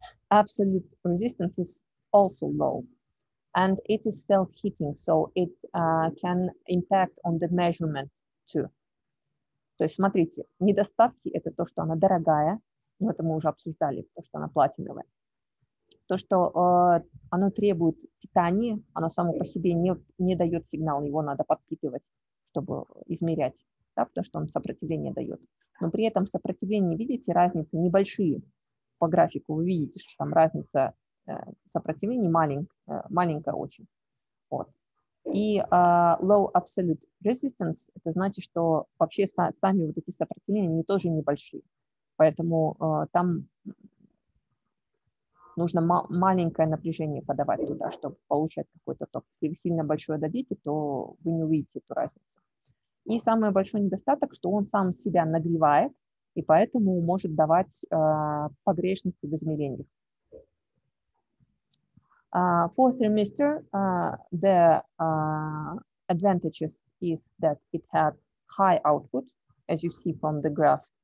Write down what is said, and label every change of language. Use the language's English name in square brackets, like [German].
[English] Absolute resistance is also low. And it is self-heating, so it can impact on the measurement too. [Russian] То есть смотрите, недостатки – это то, что она дорогая, но это мы уже обсуждали, то, что она платиновая. То, что оно требует питания, оно само по себе не дает сигнал, его надо подпитывать, чтобы измерять, да, потому что он сопротивление дает. Но при этом сопротивление, видите, разницы небольшие по графику, вы видите, что там разница сопротивление маленькое очень. Вот. И [English] low absolute resistance, [Russian] это значит, что вообще сами вот эти сопротивления, они тоже небольшие. Поэтому там нужно маленькое напряжение подавать туда, чтобы получать какой-то ток. Если вы сильно большое дадите, то вы не увидите эту разницу. И самый большой недостаток, что он сам себя нагревает, и поэтому может давать погрешности в измерениях. [English] For thermistor, the advantages is that it has high output, as you see from the graph.